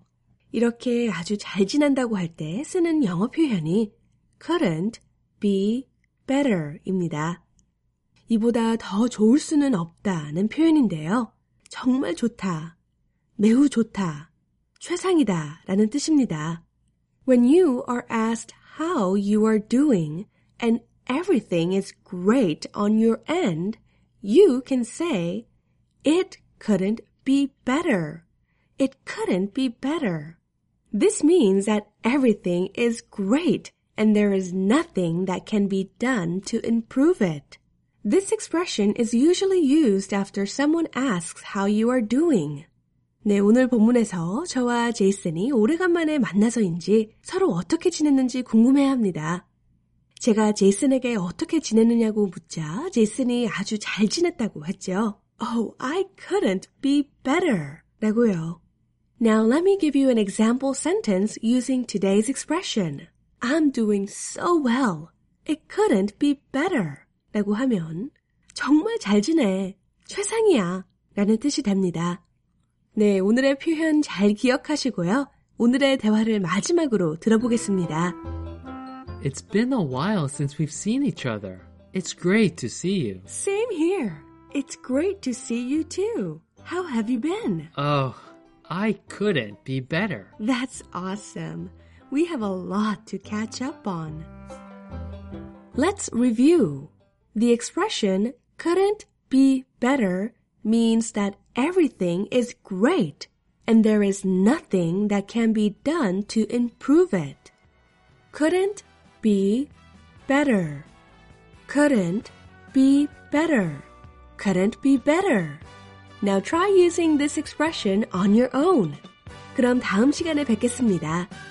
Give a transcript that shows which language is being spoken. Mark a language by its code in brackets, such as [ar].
[ko] 이렇게 아주 잘 지낸다고 할 때 쓰는 영어 표현이 [en] couldn't be better [ko] 입니다. 이보다 더 좋을 수는 없다는 표현인데요. 정말 좋다, 매우 좋다, 최상이다 라는 뜻입니다. [en] When you are asked how you are doing and everything is great on your end, you can say, it couldn't be better. It couldn't be better. This means that everything is great and there is nothing that can be done to improve it. This expression is usually used after someone asks how you are doing. [ko] 네, 오늘 본문에서 저와 제이슨이 오래간만에 만나서인지 서로 어떻게 지냈는지 궁금해합니다. 제가 제이슨에게 어떻게 지냈느냐고 묻자 제이슨이 아주 잘 지냈다고 했죠. [en] Oh, I couldn't be better. [ko] 라고요. [en] Now let me give you an example sentence using today's expression. I'm doing so well. It couldn't be better. [ko] 라고 하면 정말 잘 지내, 최상이야 라는 뜻이 됩니다. 네, 오늘의 표현 잘 기억하시고요. 오늘의 대화를 마지막으로 들어보겠습니다. [en] It's been a while since we've seen each other. It's great to see you. Same here. It's great to see you too. How have you been? Oh, I couldn't be better. That's awesome. We have a lot to catch up on. Let's review. The expression couldn't be better means that everything is great and there is nothing that can be done to improve it. Couldn't be better. Couldn't be better. Couldn't be better. Now try using this expression on your own. [ko] 그럼 다음 시간에 뵙겠습니다.